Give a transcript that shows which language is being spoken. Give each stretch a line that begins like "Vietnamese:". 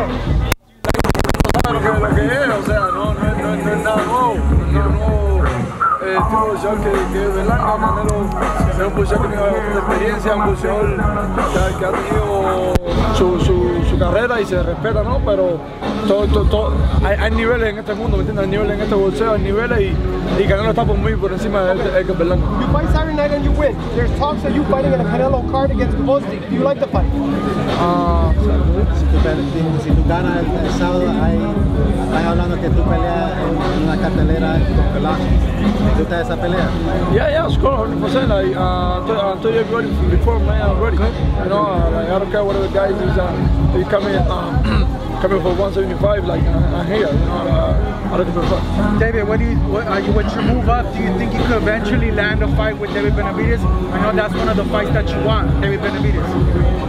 Spanish: Este boxeador que Berlanga, Canelo, es un boxeador que tiene una experiencia, un boxeador que ha tenido su carrera y se respeta, ¿no? Pero hay niveles en este mundo, ¿me entiendes? Hay niveles en este boxeo, hay niveles y Canelo está muy por encima de Berlanga.
English: You fight Saturday night and you win. There's talks of you fighting in a Canelo card against the Bosti. Do you like the fight?
Spanish: Si tú perdes, si tú ganas el sábado, hay hablando que tú peleas en una cartelera con Berlanga.
English: Yeah, of course, 100%. I told you everybody before, man, I'm ready. You know, like, I don't care what the guy is, he's coming for 175, like, I'm here, you know, I don't give a fuck. David, what's your move up? Do you think you could eventually land a fight with David Benavidez? I know that's one of the fights that you want, David Benavidez.